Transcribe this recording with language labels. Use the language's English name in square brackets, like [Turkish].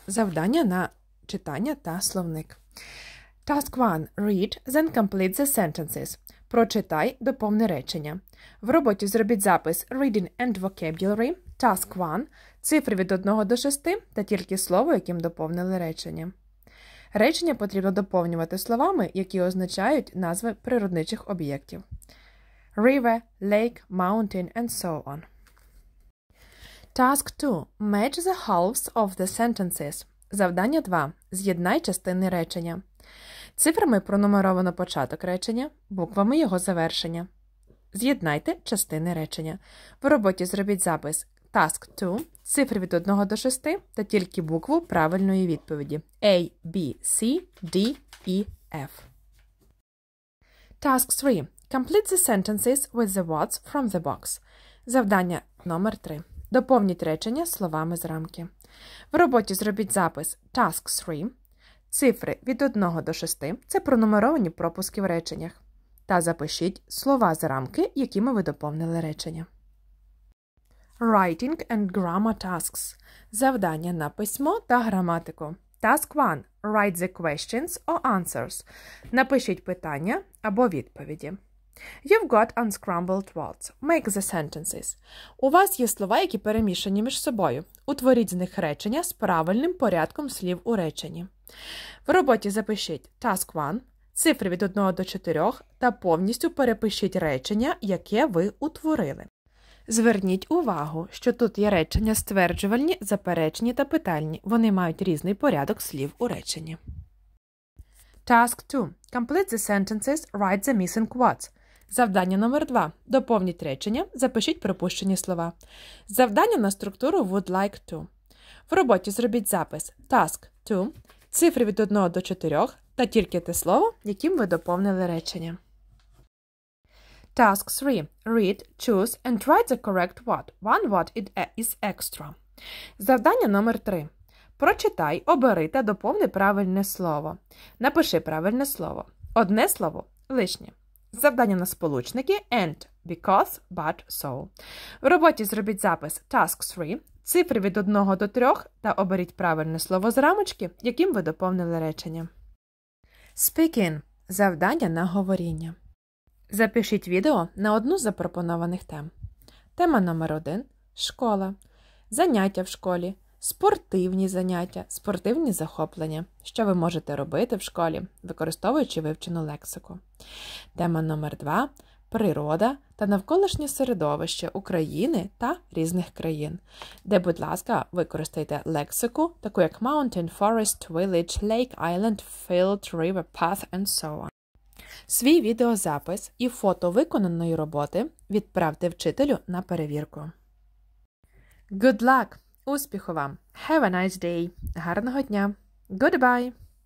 [Ukrainian] Завдання на читання та словник. [English] Task 1. Read, then complete the sentences. [Ukrainian] Прочитай, доповни речення. В роботі зробіть запис [English] Reading and Vocabulary, Task 1, [Ukrainian] цифри від 1 до 6 та тільки слово, яким доповнили речення. Речення потрібно доповнювати словами, які означають назви природничих об'єктів. [English] River, lake, mountain and so on. Task 2. Match the halves of the sentences. [Ukrainian] Завдання 2. З'єднай частини речення. Цифрами пронумеровано початок речення, буквами його завершення. З'єднайте частини речення. В роботі зробіть запис [English] Task 2, [Ukrainian] цифри від 1 до 6 та тільки букву правильної відповіді. [English] A, B, C, D, E, F. Task 3. Complete the sentences with the words from the box. [Ukrainian] Завдання номер 3. Доповніть речення словами з рамки. В роботі зробіть запис [English] Task 3. [Ukrainian] Цифри від 1 до 6 – це пронумеровані пропуски в реченнях. Та запишіть слова з рамки, якими ви доповнили речення. [English] Writing and grammar tasks. [Ukrainian] Завдання на письмо та граматику. [English] Task 1. Write the questions or answers. [Ukrainian] Напишіть питання або відповіді. [English] You've got unscrambled words. Make the sentences. [Ukrainian] У вас є слова, які перемішані між собою. Утворіть з них речення з правильним порядком слів у реченні. В роботі запишіть Task 1, цифри від 1 до 4 та повністю перепишіть речення, яке ви утворили. Зверніть увагу, що тут є речення стверджувальні, заперечні та питальні. Вони мають різний порядок слів у реченні. [English] Task 2. Complete the sentences, write the missing words. [Ukrainian] Завдання номер 2. Доповніть речення, запишіть пропущені слова. Завдання на структуру [English] would like to. [Ukrainian] В роботі зробіть запис [English] Task 2. [Ukrainian] Цифри від 1 до 4 та тільки те слово, яким ви доповнили речення. [English] Task 3. Read, choose and write the correct word. One word is extra. [Ukrainian] Завдання номер 3. Прочитай, обери та доповни правильне слово. Напиши правильне слово. Одне слово – лишнє. Завдання на сполучники [English] and, because, but, so. [Ukrainian] В роботі зробіть запис [English] Task 3. [Ukrainian] Цифри від 1 до 3 та оберіть правильне слово з рамочки, яким ви доповнили речення. Speaking – завдання на говоріння. Запишіть відео на одну з запропонованих тем. Тема номер 1 – школа. Заняття в школі. Спортивні заняття. Спортивні захоплення. Що ви можете робити в школі, використовуючи вивчену лексику. Тема номер 2 – природа та навколишнє середовище України та різних країн, де, будь ласка, використайте лексику, таку як [English] mountain, forest, village, lake, island, field, river, path, and so on. [Ukrainian] Свій відеозапис і фото виконаної роботи відправте вчителю на перевірку. [English] Good luck! [Ukrainian] Успіху вам! [English] Have a nice day! [Ukrainian] Гарного дня! [English] Goodbye!